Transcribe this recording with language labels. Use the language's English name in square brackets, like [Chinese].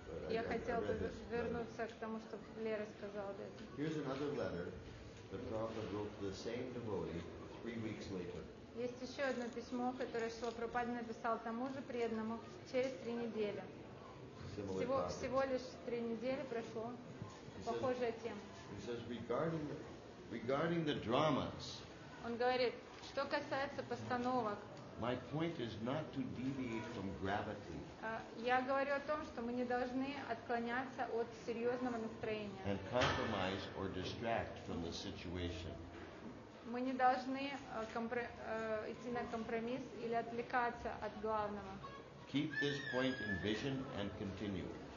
[Russian] Я хотел бы вернуться к тому, что Лера сказала. [English] Here's another letter. The Prabhupada wrote to the same devotee 3 weeks later. [Russian] Есть еще одно письмо, которое Шрила Прабхупада написал тому же преданному через 3 недели. Всего лишь 3 недели прошло. Похожая тема. [English] He says regarding the dramas. [Russian] Он говорит. Что касается постановок, [English] my point is not to deviate from gravity. [Russian] Я говорю о том, что мы не должны отклоняться от серьезного настроения. [English] And compromise or distract from the situation. [Russian] Мы не должны идти на компромисс или отвлекаться от главного. [English] Keep this point in vision and continue.